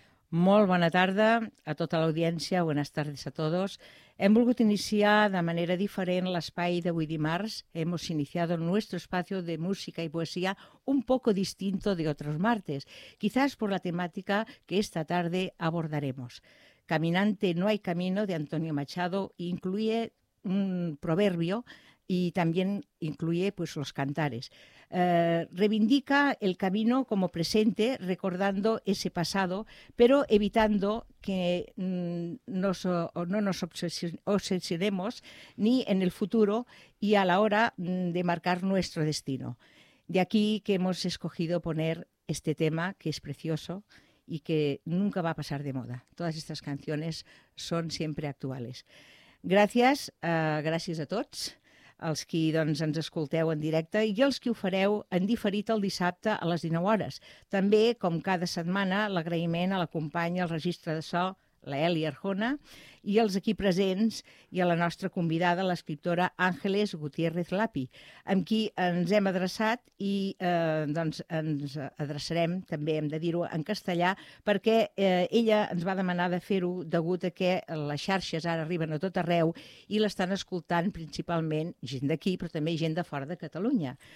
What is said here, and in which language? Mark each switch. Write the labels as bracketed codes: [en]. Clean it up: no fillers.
[ca] Molt bona tarda a tota l'audiència, [es] buenas tardes a todos. [ca] Hem volgut iniciar de manera diferent l'espai d'avui dimarts. [es] Hemos iniciado nuestro espacio de música y poesía un poco distinto de otros martes, quizás por la temática que esta tarde abordaremos. Caminante, no hay camino, de Antonio Machado, incluye un proverbio y también incluye pues, los cantares. Reivindica el camino como presente, recordando ese pasado, pero evitando que no nos obsesionemos ni en el futuro y a la hora de marcar nuestro destino. De aquí que hemos escogido poner este tema, que es precioso y que nunca va a pasar de moda. Todas estas canciones son siempre actuales. [ca] Gràcies, gràcies a tots els qui doncs, ens escolteu en directe i els qui ho fareu en diferit el dissabte a les 19 hores. També, com cada setmana, l'agraïment a la companya, al registre de so, la Eli Arjona, i els aquí presents i a la nostra convidada, l'escriptora Ángeles Gutiérrez Lapi, amb qui ens hem adreçat i doncs, ens adreçarem, també hem de dir-ho en castellà, perquè ella ens va demanar de fer-ho degut a que les xarxes ara arriben a tot arreu i l'estan escoltant principalment gent d'aquí, però també gent de fora de Catalunya.